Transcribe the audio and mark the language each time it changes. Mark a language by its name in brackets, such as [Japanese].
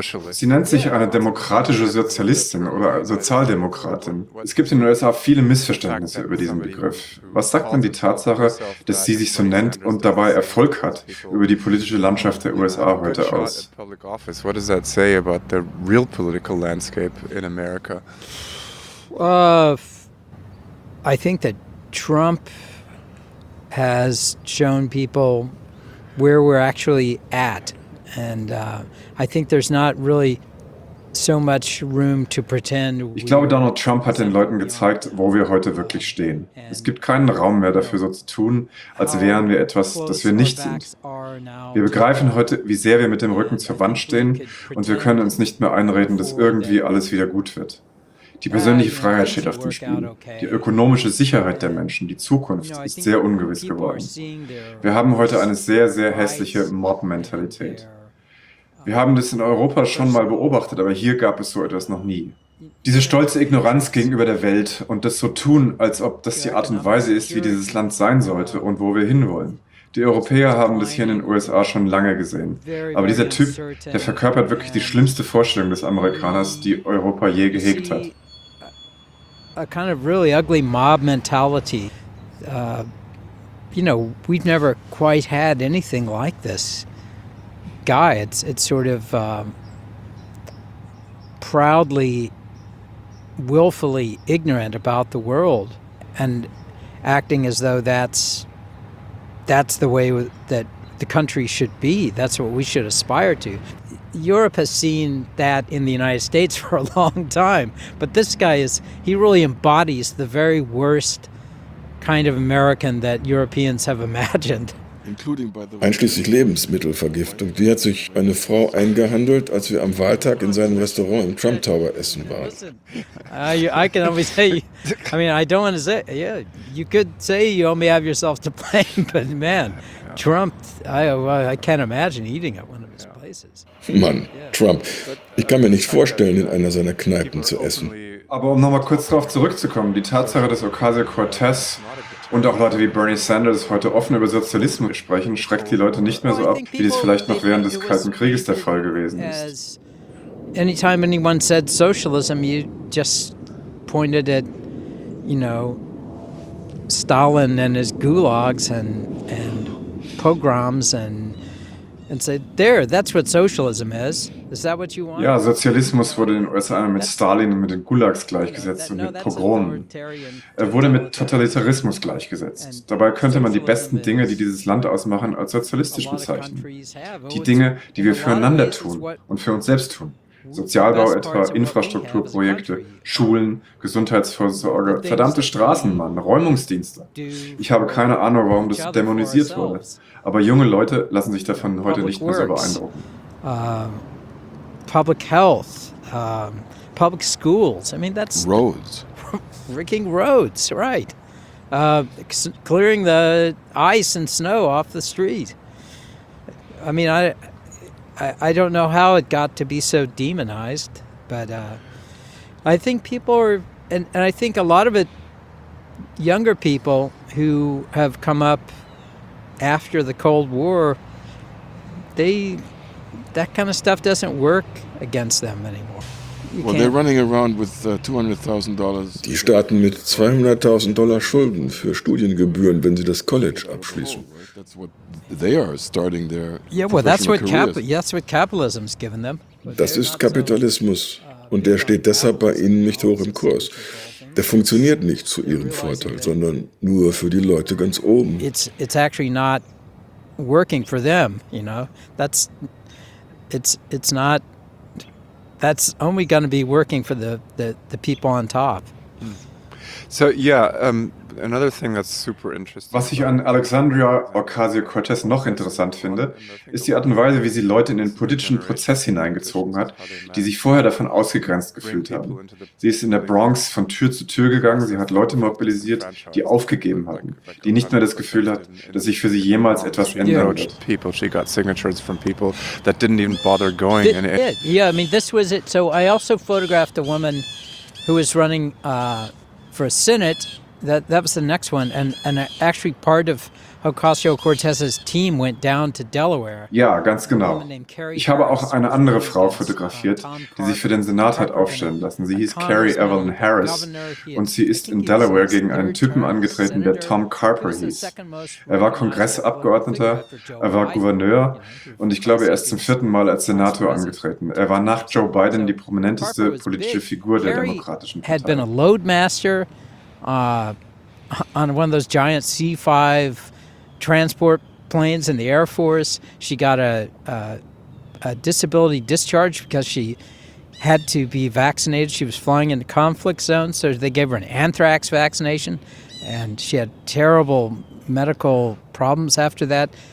[German] Sie nennt sich eine demokratische Sozialistin oder Sozialdemokratin. Es gibt in den USA viele Missverständnisse über diesen Begriff. Was sagt denn die Tatsache, dass sie sich so nennt und dabei Erfolg hat, über die politische Landschaft der USA heute aus? [English] What does that say about the real political landscape in America? I think that Trump has shown people where we're actually at. [German] Ich glaube, Donald Trump hat den Leuten gezeigt, wo wir heute wirklich stehen. Es gibt keinen Raum mehr dafür, so zu tun, als wären wir etwas, das wir nicht sind. Wir begreifen heute, wie sehr wir mit dem Rücken zur Wand stehen, und wir können uns nicht mehr einreden, dass irgendwie alles wieder gut wird. Die persönliche Freiheit steht auf dem Spiel. Die ökonomische Sicherheit der Menschen, die Zukunft, ist sehr ungewiss geworden. Wir haben heute eine sehr, sehr hässliche Mob-Mentalität. Wir haben das in Europa schon mal beobachtet, aber hier gab es so etwas noch nie. Diese stolze Ignoranz gegenüber der Welt und das so tun, als ob das die Art und Weise ist, wie dieses Land sein sollte und wo wir hinwollen. Die Europäer haben das hier in den USA schon lange gesehen. Aber dieser Typ, der verkörpert wirklich die schlimmste Vorstellung des Amerikaners, die Europa je gehegt hat. [English] A kind of really ugly mob mentality. You know, we've never quite had anything like this. Guy, it's sort of proudly, willfully ignorant about the world, and acting as though that's the way that the country should be. That's what we should aspire to. Europe has seen that in the United States for a long time, but this guy is—he really embodies the very worst kind of American that Europeans have imagined. [German] Einschließlich Lebensmittelvergiftung. Die hat sich eine Frau eingehandelt, als wir am Wahltag in seinem Restaurant im Trump Tower essen waren. [English] I can only say, I mean, I don't want to say, yeah, you could say you only have yourself to blame, but man, Trump, I can't imagine eating at one of his places. [German] Mann, Trump. Ich kann mir nicht vorstellen, in einer seiner Kneipen zu essen. Aber um nochmal kurz darauf zurückzukommen, die Tatsache, dass Ocasio-Cortez und auch Leute wie Bernie Sanders heute offen über Sozialismus sprechen, schreckt die Leute nicht mehr so ab, wie das vielleicht noch während des Kalten Krieges der Fall gewesen ist. [English] Anytime anyone said socialism, you just pointed at, you know, Stalin and his gulags and pogroms and say, there, that's what socialism is. Is that what you want? [German] Ja, Sozialismus wurde in den USA mit Stalin und mit den Gulags gleichgesetzt und mit Pogromen. Er wurde mit Totalitarismus gleichgesetzt. Dabei könnte man die besten Dinge, die dieses Land ausmachen, als sozialistisch bezeichnen. Die Dinge, die wir füreinander tun und für uns selbst tun. Sozialbau etwa, Infrastrukturprojekte, Schulen, Gesundheitsvorsorge, verdammte Straßen, Mann, Räumungsdienste. Ich habe keine Ahnung, warum das dämonisiert wurde. Aber junge Leute lassen sich davon heute nicht mehr so beeindrucken. [English] Public health, public schools. I mean, that's roads. Freaking roads, right? Clearing the ice and snow off the street. I mean, I don't know how it got to be so demonized, but I think people are, and I think a lot of it, younger people who have come up after the Cold War, that kind of stuff doesn't work against them anymore. Well, they're running around with $200,000. [German] Die starten mit $200,000 Schulden für Studiengebühren, wenn sie das College abschließen. [English] They are starting their that's what capitalism's given them. [German] Das ist Kapitalismus, und der steht deshalb bei ihnen nicht hoch im Kurs. Der funktioniert nicht zu ihrem Vorteil, sondern nur für die Leute ganz oben. [English] It's actually not working for them, you know. That's only going to be working for the people on top. So yeah, another thing that's super interesting. [German] Was ich an Alexandria Ocasio-Cortez noch interessant finde, ist die Art und Weise, wie sie Leute in den politischen Prozess hineingezogen hat, die sich vorher davon ausgegrenzt gefühlt haben. Sie ist in der Bronx von Tür zu Tür gegangen, sie hat Leute mobilisiert, die aufgegeben hatten, die nicht mehr das Gefühl hat, dass sich für sie jemals etwas ändert. [English] People, she got signatures from people that didn't even bother going. Yeah, I mean, this was it. So I also photographed a woman who was running for a Senate That was the next one. And actually part of Ocasio-Cortez's team went down to Delaware. [German] Ja, ganz genau. Ich habe auch eine andere Frau fotografiert, die sich für den Senat hat aufstellen lassen. Sie hieß Carrie Evelyn Harris und sie ist in Delaware gegen einen Typen angetreten, der Tom Carper hieß. Er war Kongressabgeordneter, er war Gouverneur und ich glaube, er ist zum vierten Mal als Senator angetreten. Er war nach Joe Biden die prominenteste politische Figur der Demokratischen Partei. [English] Had been a loadmaster on one of those giant C-5 transport planes in the Air Force. She got a disability discharge because she had to be vaccinated. She was flying into conflict zones, so they gave her an anthrax vaccination, and she had terrible medical problems after that.